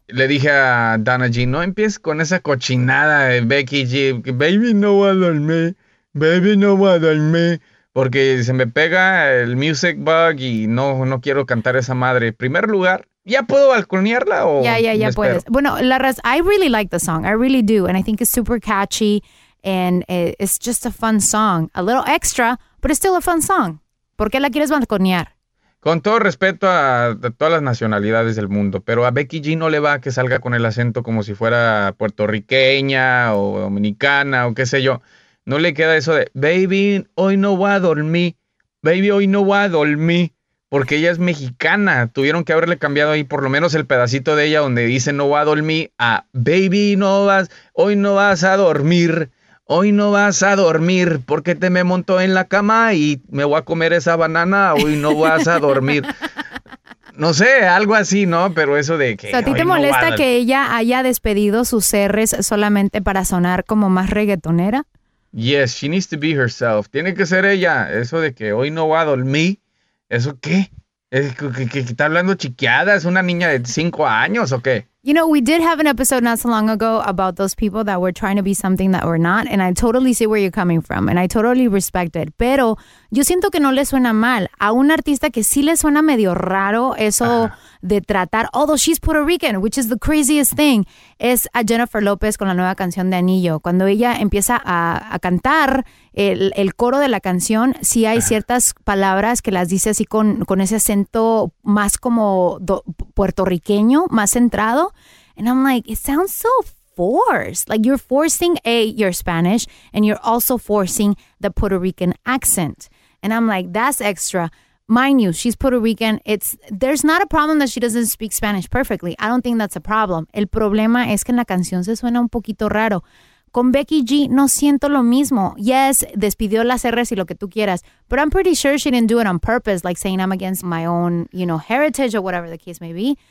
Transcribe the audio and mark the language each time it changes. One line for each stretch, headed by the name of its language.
Spanish: Le dije a Dana G, no empieces con esa cochinada de Becky G, baby, no, va a dormir, baby, no, va a dormir. Porque se me pega el music bug y no quiero cantar esa madre. Primer lugar, ¿ya puedo balconearla o Ya puedes.
English: Bueno, I really like the song. I really do. And I think it's super catchy. And it's just a fun song. A little extra, but it's still a fun song.
Spanish: ¿Por qué la quieres balconear? Con todo respeto a todas las nacionalidades del mundo. Pero a Becky G no le va que salga con el acento como si fuera puertorriqueña o dominicana o qué sé yo. No le queda eso de, baby, hoy no voy a dormir. Baby, hoy no voy a dormir. Porque ella es mexicana. Tuvieron que haberle cambiado ahí por lo menos el pedacito de ella donde dice no voy a dormir a baby, no vas, hoy no vas a dormir. Hoy no vas a dormir porque te me monto en la cama y me voy a comer esa banana. Hoy no vas a dormir. No sé, algo así, ¿no? Pero eso de que... O sea, ¿a ti te molesta que ella haya despedido sus R's solamente para sonar como más reggaetonera?
English: Yes, she needs to be herself.
Spanish: Tiene que ser ella. Eso de que hoy no va a dormir. ¿Eso qué? ¿Es que está hablando chiqueada? ¿Es una niña de 5 años o qué?
English: You know, we did have an episode not so long ago about those people that were trying to be something that were not. And I totally see where you're coming from. And I totally respect it.
Spanish: Pero yo siento que no le suena mal a un artista que sí le suena medio raro eso de tratar.
English: Although she's Puerto Rican, which is the craziest thing.
Spanish: Es a Jennifer Lopez con la nueva canción de Anillo. Cuando ella empieza a cantar el coro de la canción, sí hay ciertas palabras que las dice así con ese acento más como puertorriqueño, más centrado.
English: And I'm like, it sounds so forced. Like you're forcing your Spanish and you're also forcing the Puerto Rican accent. And I'm like, that's extra. Mind you, she's Puerto Rican. There's not a problem that she doesn't speak Spanish perfectly. I don't think that's a problem.
Spanish: El problema es que en la canción se suena un poquito raro. Con Becky G no siento lo mismo. Yes, despidió las R's y lo que tú quieras.
English: But I'm pretty sure she didn't do it on purpose, like saying I'm against my own, you know, heritage or whatever the case may be.